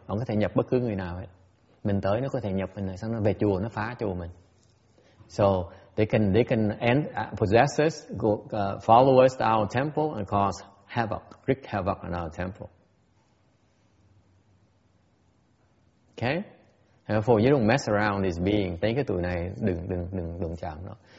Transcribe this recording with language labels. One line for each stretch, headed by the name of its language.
Vietnamese: Họ có thể nhập bất cứ người nào hết. Mình tới nó có thể nhập mình rồi, xong nó về chùa nó phá chùa mình.
English: So they can possess us, follow us to our temple and cause havoc, wreak havoc on our temple. Okay? Therefore, you don't mess around with this being.
Vietnamese: Thấy cái tụi này đừng chạm nó.